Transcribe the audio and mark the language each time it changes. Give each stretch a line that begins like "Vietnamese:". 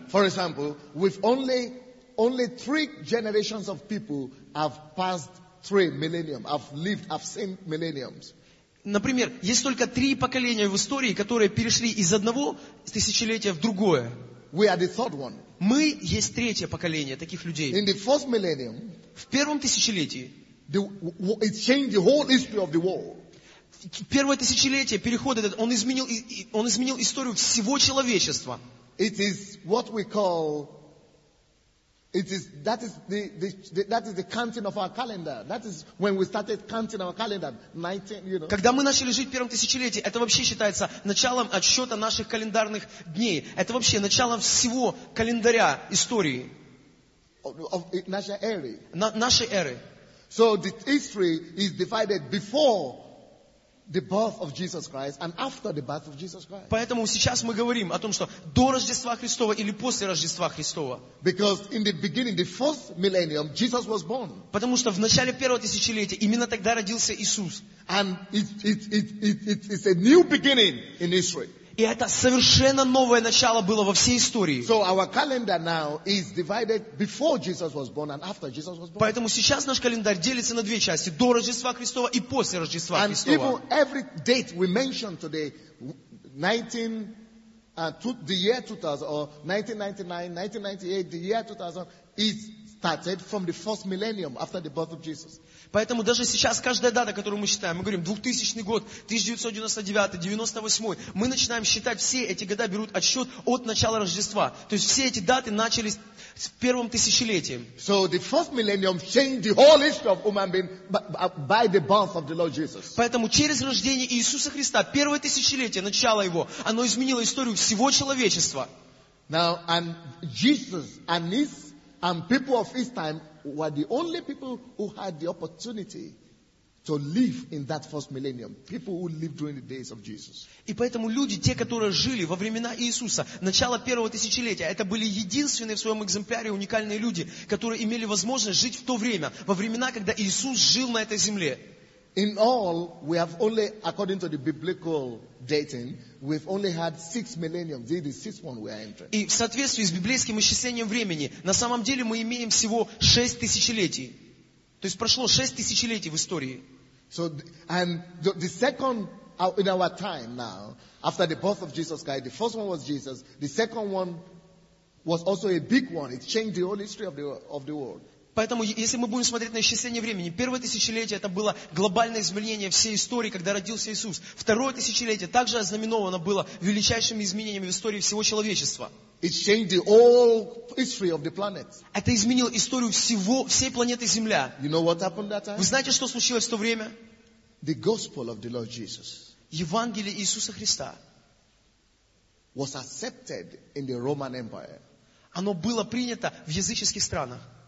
English: For example, with only 3 generations of people have passed 3 millennium, have seen millenniums.
Russian: Например, есть только 3 поколения в истории, которые перешли из одного тысячелетия в другое.
English: We are the third one.
Russian: Мы есть третье поколение таких людей.
English: In the first millennium,
Russian: в первом тысячелетии,
English: it changed the whole history of the world.
Russian: Первое тысячелетие, переход этот, он изменил историю всего человечества.
English: It is what we call, that is the counting of our calendar. That is when we started counting our calendar. 19, you know.
Russian: Когда мы начали жить в первом тысячелетии, это вообще считается началом отсчета наших календарных дней. Это вообще начало всего календаря истории.
English: Of
Russian: нашей эры. Нашей эры.
English: So the history is divided before the birth of Jesus Christ and after the birth of Jesus Christ.
Russian: Поэтому сейчас мы говорим о том, что до Рождества Христова или после Рождества Христова.
English: Because in the beginning, the first millennium, Jesus was born.
Russian: Потому что в начале первого тысячелетия именно тогда родился Иисус.
English: And it's a new beginning in history.
Russian: И это совершенно новое начало было во всей истории.
English: So our calendar now is divided before Jesus was born and after Jesus was born.
Russian: Поэтому сейчас наш календарь делится на 2 части: до Рождества Христова и после Рождества
English: and
Russian: Христова.
English: And even every date we mention today, 1998, the year 2000, is started from the first millennium after the birth of Jesus.
Russian: Поэтому даже сейчас каждая дата, которую мы считаем, мы говорим 2000 год, 1999, 98, мы начинаем считать, все эти года берут отсчет от начала Рождества. То есть все эти даты начались с первым тысячелетием.
English: So the first millennium changed the whole history of human being by the birth of the Lord Jesus.
Russian: Поэтому через рождение Иисуса Христа, первое тысячелетие, начало его, оно изменило историю всего человечества.
English: Now, and Jesus and his and people of his time were the only people who had the opportunity to live in that first millennium. People who lived during the days of Jesus.
Russian: И поэтому люди, те, которые жили во времена Иисуса, начало первого тысячелетия, это были единственные в своем экземпляре уникальные люди, которые имели возможность жить в то время, во времена, когда Иисус жил на этой земле.
English: In all, we have only, according to the biblical dating, we've only had six millenniums. This is the sixth one we are entering.
Russian: И в соответствии с библейским исчислением времени, на самом деле мы имеем всего шесть тысячелетий. То есть прошло шесть тысячелетий в истории.
English: So, and the second in our time now, after the birth of Jesus Christ, the first one was Jesus. The second one was also a big one. It changed the whole history of the world.
Russian: Поэтому, если мы будем смотреть на исчисление времени, первое тысячелетие – это было глобальное изменение всей истории, когда родился Иисус. Второе тысячелетие также ознаменовано было величайшими изменениями в истории всего человечества.
English: It changed the whole history of the planet.
Russian: Это изменило историю всей планеты Земля.
English: You know what happened that time?
Russian: Вы знаете, что случилось в то время?
English: The gospel of the Lord Jesus.
Russian: Евангелие Иисуса Христа
English: was accepted in the Roman Empire.
Russian: Оно было принято в языческих странах.